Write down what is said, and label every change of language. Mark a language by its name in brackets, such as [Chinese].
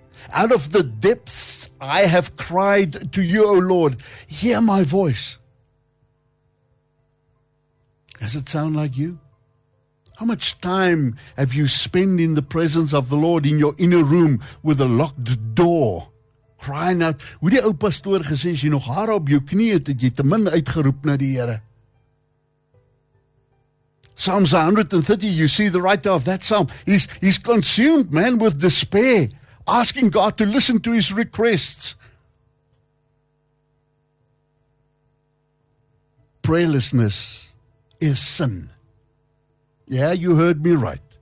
[English] Out of the depths I have cried to you, O Lord. Hear my voice. Does it sound like you? How much time have you spent in the presence of the Lord in your inner room with a locked door? Crying out. [Afrikaans] Hoe die ou pastoor gesê, as jy nog haar op jou knie het, het jy te min uitgeroep na die Here. [English] Psalms 130, you see the writer of that psalm. He's consumed, man, with despair. Asking God to listen to his requests. Prayerlessness is sin. Yeah, you heard me right.